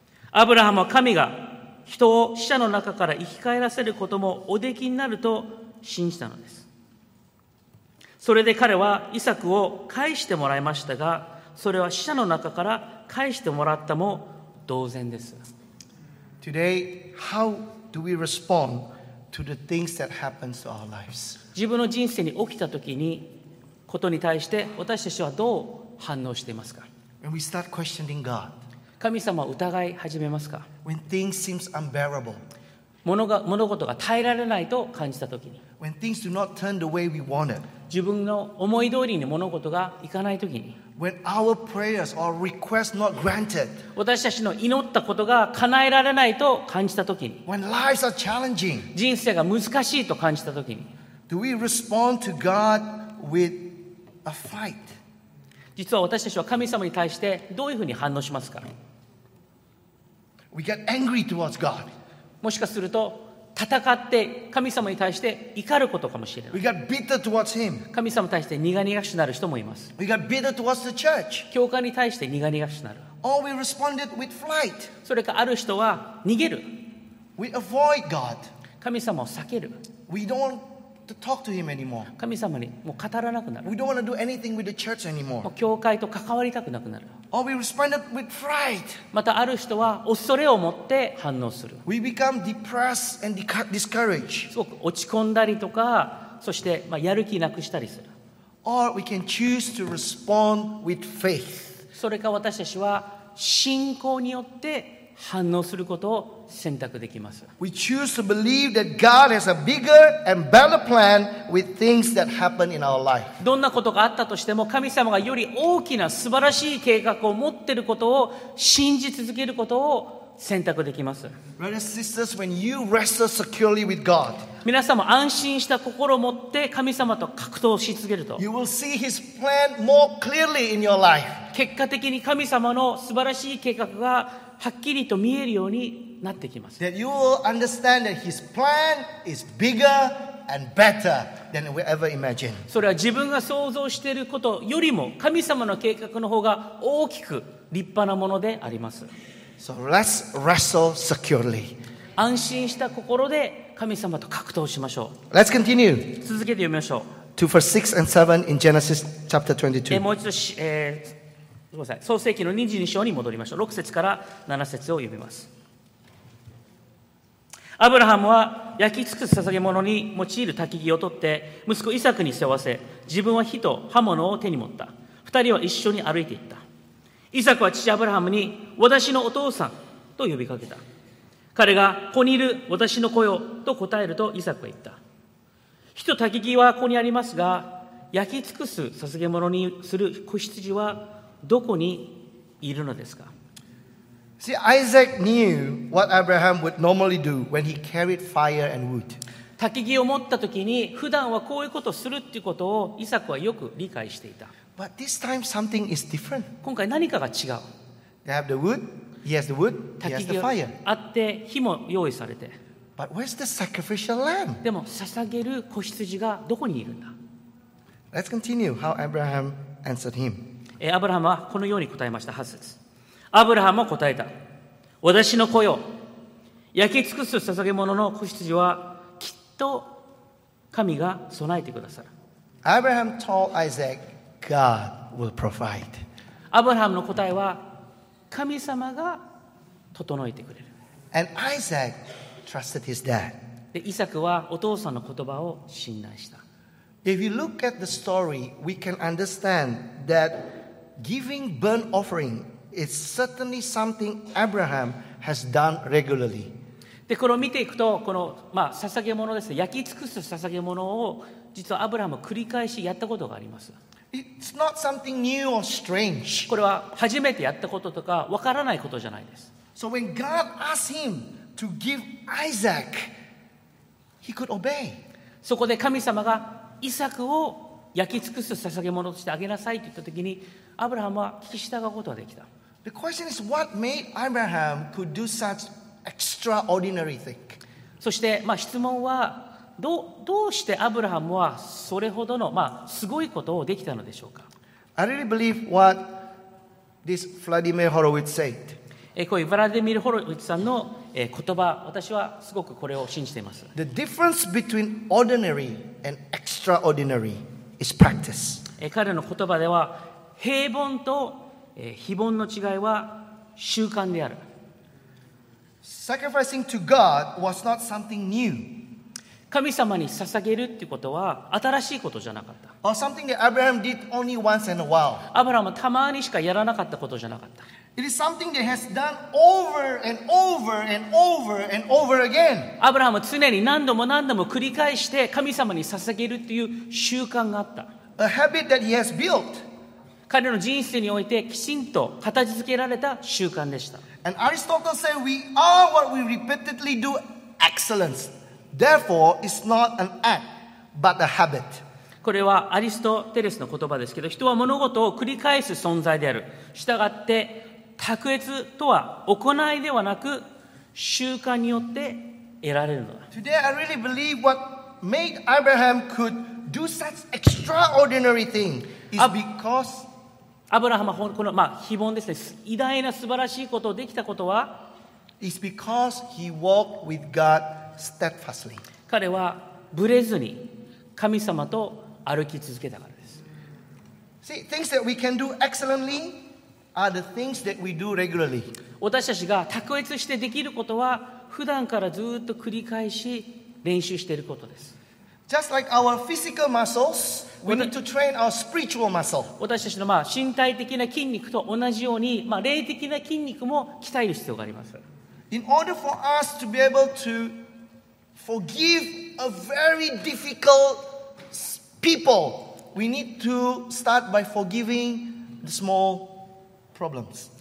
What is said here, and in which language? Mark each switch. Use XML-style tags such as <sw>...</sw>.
<ja>アブラハムは神が人を死者の中から生き返らせることもおできになると信じたのです。それで彼はイサクを返してもらいましたが、それは死者の中から返してもらったも同然です。</ja> <en>Today, how do we respond to the things that happens to our lives?</en> <ja>自分の人生に起きたときに、ことに対して私たちはどう反応していますか?</ja> <en>When we start questioning God.</en> <ja>神様を疑い始めますか?</ja> <en>When things seem unbearable.</en> <ja>物事が耐えられないと感じたときに。</ja> <en>When things do not turn the way we want it.</en> <ja>自分の思い通りに物事がいかないときに、</ja> <en>When our prayers or requests not granted,</en> <ja>私たちの祈ったことが叶えられないと感じたときに、</ja> <en>When lives are challenging,</en> <ja>人生が難しいと感じたときに、</ja> <en>Do we respond to God with a fight?</en> <ja>実は私たちは神様に対してどういうふうに反応しますか。</ja> <en>We get angry towards God.</en> <ja>もしかすると戦って神様に対して怒ることかもしれない。</ja> <en>We got bitter towards him.</en> <ja>神様に対して苦々しくなる人もいます。</ja> <en>We got bitter towards the church.</en> <ja>教会に対して苦々しくなる。</ja> <en>Or we responded with flight.</en> <ja>それかある人は逃げる。</ja> <en>We avoid God.</en> <ja>神様を避ける。</ja> <en>We don'tTo talk to him anymore.</en> <ja>神様にもう語らなくなる。</ja> <en>We don't want to do anything with the church anymore.</en> <ja>もう教会と関わりたくなくなる。</ja> <en>Or we responded with fright.</en> <ja>またある人は恐れを持って反応する。</ja> <en>We become depressed and discouraged.</en> <ja>すごく落ち込んだりとか、そしてまあやる気なくしたりする。</ja> <en>Or we can choose to respond with faith.</en> <ja>それか私たちは信仰によって反応することを選択できます。</ja> <en>We choose to believe that God has a bigger and better plan with things that happen in our life.</en> <ja>どんなことがあったとしても神様がより大きな素晴らしい計画を持っていることを信じ続けることを選択できます。</ja> <en>Brothers, sisters, when you wrestle securely with God,</en> <ja>皆さんも安心した心を持って神様と格闘し続けると</ja> <en>You will see his plan more clearly in your life.</en> <ja>結果的に神様の素晴らしい計画がはっきりと見えるようになってきます。</ja> <en>That you will understand that his plan is bigger and better than we ever imagined.</en> <ja>それは自分が想像していることよりも神様の計画の方が大きく立派なものであります。</ja> <en>So let's wrestle securely.</en> <ja>安心した心で神様と格闘しましょう。</ja> <en>Let's continue.</en> <ja>続けて読みましょう。</ja> <en>2 verse 6 and 7 in Genesis chapter 22.</en> <ja>もう一度し、創世記の22章に戻りましょう。 6節から7節を読みます。アブラハムは焼き尽くす捧げ物に用いる焚き木を取って息子イサクに背負わせ、自分は火と刃物を手に持った。 2人は一緒に歩いていった。イサクは父アブラハムに私のお父さんと呼びかけた。彼がここにいる私の子よと答えるとイサクは言った。火と焚き木はここにありますが、焼き尽くす捧げ物にする子羊はどこにいるのですか。</ja> <en>See, Isaac knew what Abraham would normally do when he carried fire and wood.</en> <ja>焚き木を持った時に普段はこういうことをするっていうことをイサクはよく理解していた。</ja> <en>But this time something is different.</en> <ja>今回何かが違う。</ja> <en>They have the wood, he has the wood, he has the fire.</en> <ja>焚き木があって火も用意されて。</ja> <en>But where's the sacrificial lamb?</en> <ja>でも捧げる子羊がどこにいるんだ。</ja> <en>Let's continue how Abraham answered him.</en> <ja>アブラハムはこのように答えました。8節。アブラハムも答えた。私の子よ、焼き尽くす捧げ物の子羊はきっと神が備えてくださる。</ja> <en>アブラハム told Isaac, God will provide.</en> <ja>アブラハムの答えは神様が整えてくれる。</ja> <en>And Isaac trusted his dad.</en> <ja>でイサクはお父さんの言葉を信頼した。</ja> <en>If you look at the story, we can understand that giving burnt offering is certainly something Abraham has done regularly.</en> <ja>で、これを見ていくと、この、まあ、捧げ物ですね、焼き尽くす捧げ物を実はアブラハム繰り返しやったことがあります。</ja> <en>It's not something new or strange.</en> <ja>これは初めてやったこととかわからないことじゃないです。</ja> <en>So when God asked him to give Isaac, he could obey.</en> <ja>そこで神様がイサクを焼き尽くす捧げ物としてあげなさいと言ったときに、アブラハムは聞き従うことができた。</ja> <en>The question is, what made Abraham could do such extraordinary thing?</en> <ja>そして、まあ、質問は どうしてアブラハムはそれほどの、まあ、すごいことをできたのでしょうか。</ja> <en>I really believe what this Vladimir Horowitz said.</en> <ja>こういうヴラディミル・ホロウィッツさんの言葉、私はすごくこれを信じています。</ja> <en>The difference between ordinary and extraordinary is practice.</en> <ja>彼の言葉では平凡と非凡の違いは習慣である。</ja> <en>Sacrificing to God was not something new.</en> <ja>神様に捧げるということは新しいことじゃなかった。</ja> <en>Or something that Abraham did only once in a while.</en> <ja>アブラハムたまにしかやらなかったことじゃなかった。</ja> <en>It is something that has done over and over and over and over again.</en> <ja>アブラハム常に何度も何度も繰り返して神様に捧げるという習慣があった。</ja> <en>A habit that he has built.</en> <ja>彼の人生においてきちんと形づけられた習慣でした。</ja> <en>And Aristotle said we are what we repeatedly do excellence. Therefore, it's not an act, but a habit.</en> <ja>これはアリストテレスの言葉ですけど、人は物事を繰り返す存在である。したがって卓越とは行いではなく習慣によって得られるのだ。</ja> <en>Today I really believe what made Abraham could do such extraordinary thing is because</en> <ja>アブラハムはこの、まあ、非凡ですね、偉大な素晴らしいことをできたことは</ja> <en>is because he walked with God steadfastly.</en> <ja>彼はブレずに神様と歩き続けたからです。</ja> <en>See, things that we can do excellently are the things that we do regularly.</en> <ja>私たちが卓越してできることは普段からずっと繰り返し練習していることです。</ja> <en>Just like our physical muscles, we need to train our spiritual muscle.</en> <ja>私たちのまあ身体的な筋肉と同じように、まあ、霊的な筋肉も鍛える必要があります。</ja> <en>In order for us to be able to forgive a very difficult people, we need to start by forgiving the small problems.</en>